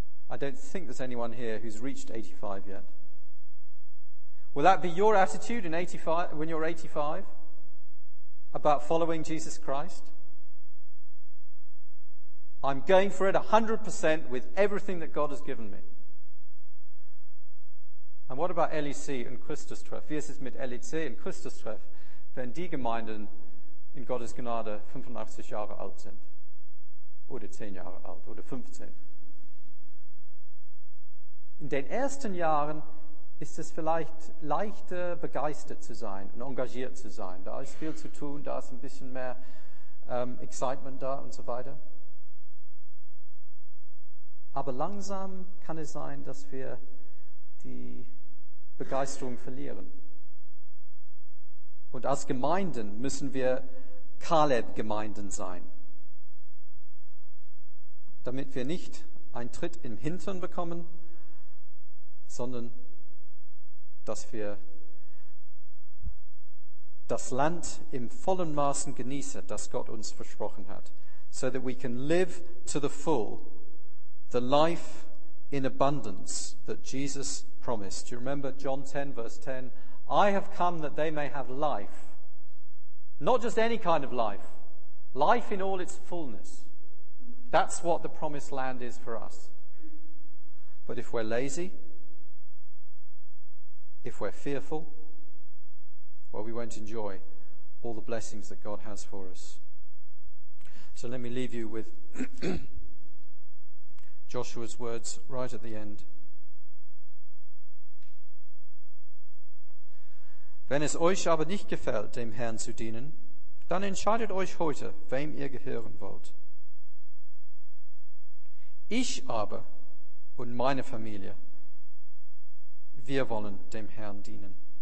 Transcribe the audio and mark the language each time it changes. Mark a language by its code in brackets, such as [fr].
[en] I don't think there's anyone here who's reached 85 yet. Will that be your attitude in 85, when you're 85, about following Jesus Christ? I'm going for it 100% with everything that God has given me. And what about LEC and Christus Treff? [de] Wie ist es mit LEC und Christus Treff, wenn die Gemeinden in Gottes Gnade 85 Jahre alt sind? Oder 10 Jahre alt, oder 15. In den ersten Jahren ist es vielleicht leichter, begeistert zu sein und engagiert zu sein. Da ist viel zu tun, da ist ein bisschen mehr Excitement da und so weiter. Aber langsam kann es sein, dass wir die Begeisterung verlieren. Und als Gemeinden müssen wir Kaleb-Gemeinden sein, damit wir nicht einen Tritt im Hintern bekommen, sondern dass wir das Land im vollen Maßen genießen, das Gott uns versprochen hat. [en] So that we can live to the full the life in abundance that Jesus promised. Do you remember John 10, verse 10? I have come that they may have life. Not just any kind of life. Life in all its fullness. That's what the promised land is for us. But if we're lazy, if we're fearful, well, we won't enjoy all the blessings that God has for us. So let me leave you with Joshua's words right at the end. [de] Wenn es euch aber nicht gefällt, dem Herrn zu dienen, dann entscheidet euch heute, wem ihr gehören wollt. Ich aber und meine Familie, wir wollen dem Herrn dienen.